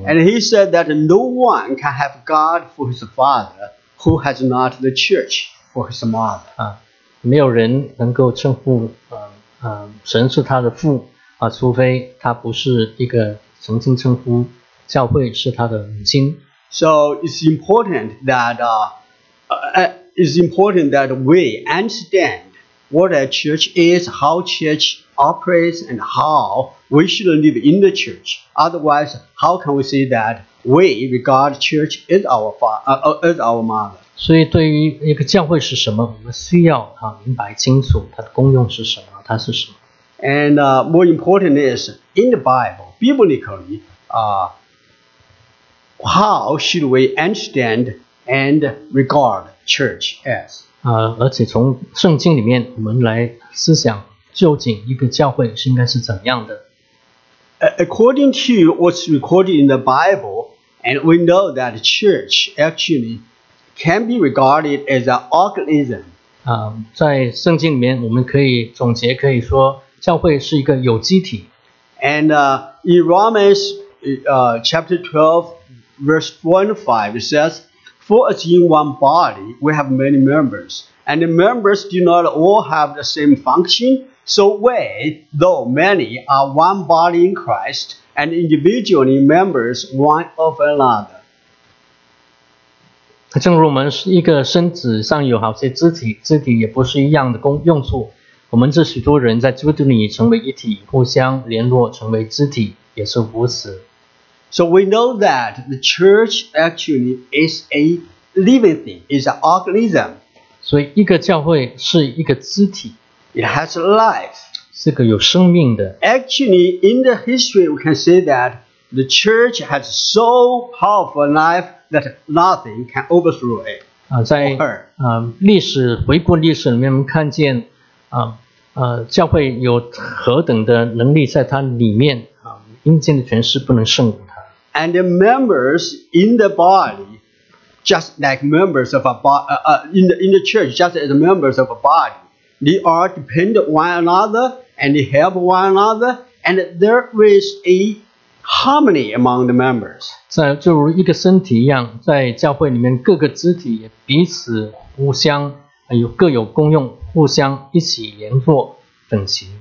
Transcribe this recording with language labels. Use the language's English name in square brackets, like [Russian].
[English] And he said that no one can have God for his father who has not the church for his mother. [Chinese] 没有人能够称呼神是他的父除非他不是一个曾经称呼教会是他的母亲。 [English] So it's important that we understand what a church is, how church operates, and how we should live in the church. Otherwise, how can we say that we regard church as our father, as our mother? [Chinese] 所以对于一个教会是什么，我们需要明白清楚它的功用是什么，它是什么。 [English] And more important is in the Bible, biblically, How should we understand and regard church as? [Chinese] 而且从圣经里面，我们来思想究竟一个教会是应该是怎样的。 [English] According to what's recorded in the Bible, and we know that church actually can be regarded as an organism. [Chinese] 在圣经里面，我们可以总结，可以说教会是一个有机体。 [English] And in Romans chapter 12. Verse 1-5, it says, For as in one body, we have many members, and the members do not all have the same function. So we, though many, are one body in Christ, and individually members one of another. [Chinese] 正如我们是一个身体上有好些肢体，肢体也不是一样的功用处。我们这许多人在基督里成为一体，互相联络，成为肢体，也是如此。 [English] So we know that the church actually is a living thing, is an organism. [Chinese] 所以一个教会是一个肢体。 [English] It has a life. [Chinese] 是个有生命的。 [English] Actually, in the history, we can say that the church has so powerful life that nothing can overthrow it. [Chinese] 在历史回顾历史里面，我们看见教会有何等的能力在它里面阴间的权势不能胜过它。 [English] And the members in the body, just like members of a body, in the church, just as members of a body, they are dependent one another and they help one another, and there is a harmony among the members. [Chinese] 在就如一个身体一样，在教会里面各个肢体也彼此互相有各有功用，互相一起联络整齐。